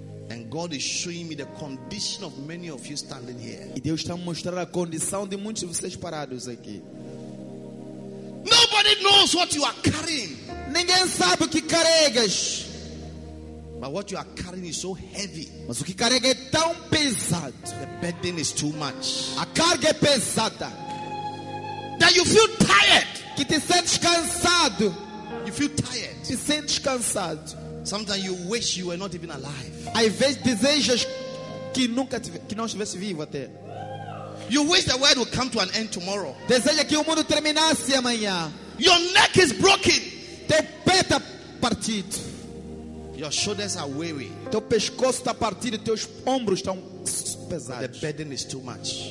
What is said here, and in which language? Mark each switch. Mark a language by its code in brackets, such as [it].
[en] And God is showing me the condition of many of you standing here. [pt] E Deus está mostrando a condição de muitos de vocês parados aqui. [en] Nobody knows what you are carrying. [pt] Ninguém sabe o que carregas. [en] But what you are carrying is so heavy. [pt] Mas o que carrega é tão pesado. [en] The burden is too much. [pt] A carga é pesada. [en] That you feel tired. [pt] Que te sentes cansado. [en] You feel tired. [pt] Se sentes cansado. [en] Sometimes you wish you were not even alive. [pt] Às vezes desejas que não estivesse vivo até. [en] You wish the world would come to an end tomorrow. [pt] Deseja que o mundo terminasse amanhã. [en] Your neck is broken. [pt] Teu pé está partido. [en] Your shoulders are weary. [pt] Teu pescoço está partido. Teus ombros estão pesados. [en] The burden is too much.